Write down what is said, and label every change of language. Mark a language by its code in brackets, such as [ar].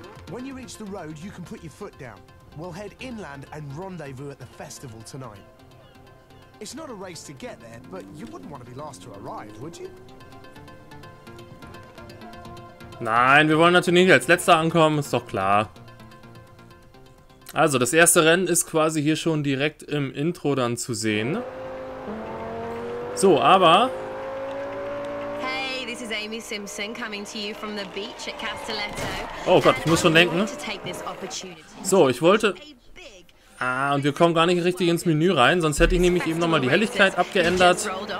[en] When you reach the road, you can put your foot down. We'll head inland and rendezvous at the festival tonight. It's not a race to get there, but you wouldn't want to be last to arrive, would you? [de] Nein, wir wollen natürlich nicht als Letzter ankommen, ist doch klar. Also, das erste Rennen ist quasi hier schon direkt im Intro dann zu sehen. So, aber... [en] Hey, this is Amy Simpson coming to you from the beach at Castelletto. [de] Oh Gott, ich muss schon denken. So, ich wollte... Ah, und wir kommen gar nicht richtig ins Menü rein, sonst hätte ich nämlich eben nochmal die Helligkeit abgeändert.